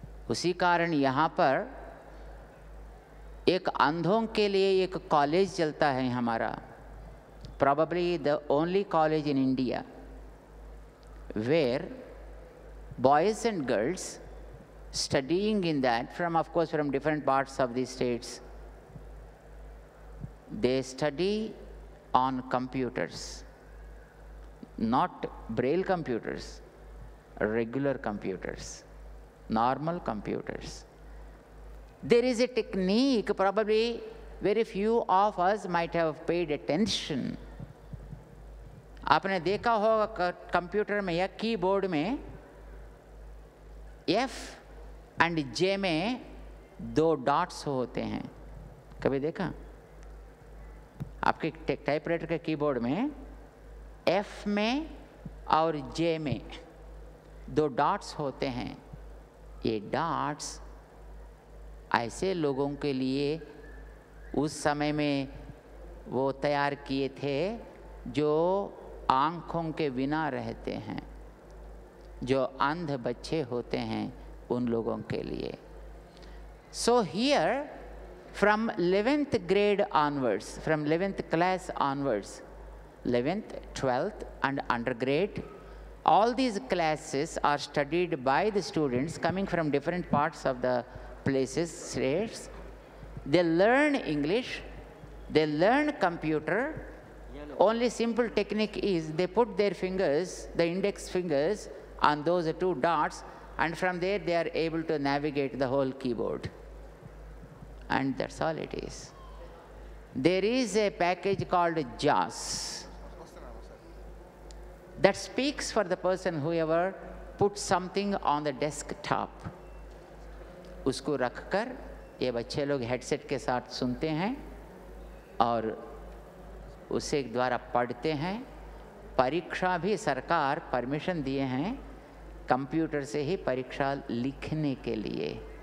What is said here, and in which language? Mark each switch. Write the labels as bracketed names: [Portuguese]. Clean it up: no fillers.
[Hindi] उसी कारण यहाँ पर एक अंधों के लिए एक कॉलेज चलता है हमारा, [English] Probably the only college in India where boys and girls studying in that from, of course, from different parts of the states. They study on computers, not braille computers, regular computers, normal computers. There is a technique, probably very few of us might have paid attention. [Hindi] आपने देखा होगा computer में या keyboard में F and जे में दो dots होते हैं, कभी देखा? आपके टाइपराइटर के कीबोर्ड में एफ में और जे में दो डॉट्स होते हैं. ये डॉट्स ऐसे लोगों के लिए उस समय में वो तैयार किए थे जो आँखों के बिना रहते हैं, जो अंध बच्चे होते हैं उन लोगों के लिए. [English] So here from 11th grade onwards, from 11th class onwards, 11th, 12th and undergrad, all these classes are studied by the students coming from different parts of the places, states. They learn English, they learn computer. Only simple technique is they put their fingers, the index fingers, on those two dots, and from there they are able to navigate the whole keyboard. And that's all it is. There is a package called JAWS that speaks for the person whoever puts something on the desktop. [Hindi] उसको रखकर ये बच्चे लोग headset के साथ सुनते हैं और उसे एक द्वारा पढ़ते हैं. परीक्षा भी सरकार परमिशन दिए हैं कंप्यूटर से ही परीक्षा लिखने के लिए.